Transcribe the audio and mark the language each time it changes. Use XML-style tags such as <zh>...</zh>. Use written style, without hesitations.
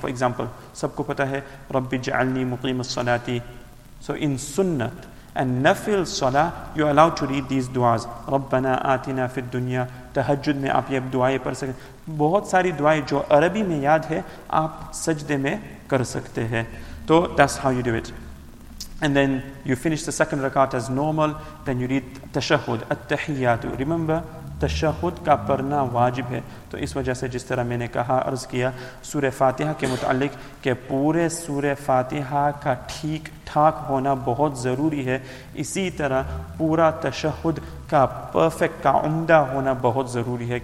<en>For example,</en> <ur>سب کو پتا ہے</ur> <ar>رب جعلنی مقیم الصلاة.</ar> <en>So in سنت and نفل صلاة you're allowed to read these دعاز.</en> <ar>ربنا آتنا فی الدنیا.</ar> <ur>تحجد میں آپ یہ دعائیں پڑھ سکیں. بہت ساری دعائیں جو عربی میں یاد ہے آپ سجدے میں کر سکتے ہیں.</ur> <en>تو that's how you do it. And then you finish the second rakat as normal. Then you read تشہد التحیات.</en> <ur>Remember تشہد کا پڑھنا واجب ہے. تو اس وجہ سے جس طرح میں نے کہا عرض کیا سورہ فاتحہ کے متعلق کہ پورے سورہ فاتحہ کا ٹھیک ٹھاک ہونا بہت ضروری ہے, اسی طرح پورا تشہد کا پرفیکٹ کا عمدہ ہونا بہت ضروری ہے.</ur>